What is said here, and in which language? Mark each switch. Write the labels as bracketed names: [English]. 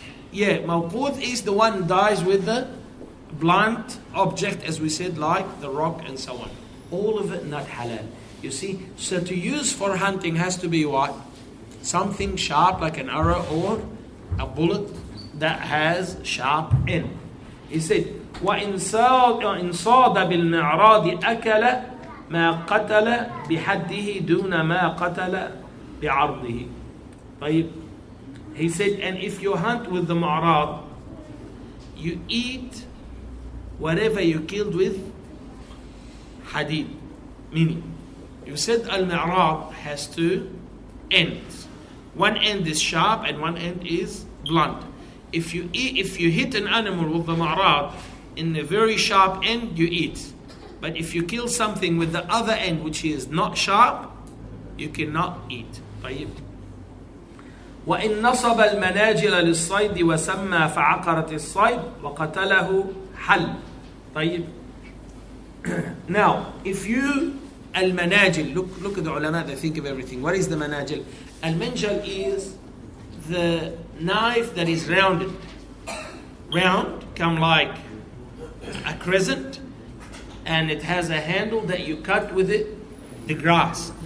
[English] Yeah, mawqud is the one dies with the blunt object, as we said, like the rock and so on. All of it not halal. You see, so to use for hunting has to be what? Something sharp like an arrow or a bullet that has sharp end. He said, [Arabic] وَإِنْ صَادَ بِالْمِعْرَادِ أَكَلَ مَا قَتَلَ بِحَدِّهِ دُونَ مَا قَتَلَ بِعَرْضِهِ. طيب. [English] He said, and if you hunt with the ma'rad, you eat whatever you killed with hadid. Meaning, you said al-ma'rad has two ends. One end is sharp and one end is blunt. If you hit an animal with the ma'rad in a very sharp end, you eat. But if you kill something with the other end, which is not sharp, you cannot eat. [Arabic] طيب. وإن نصب المناجل للصيد وسمى فعقرت الصيد وقتله حل. طيب. [English] Now, if you المناجل, look at the علماء, they think of everything. What is the مناجل? المنجل is the knife that is rounded. Round, come like a crescent, and it has a handle that you cut with it the grass.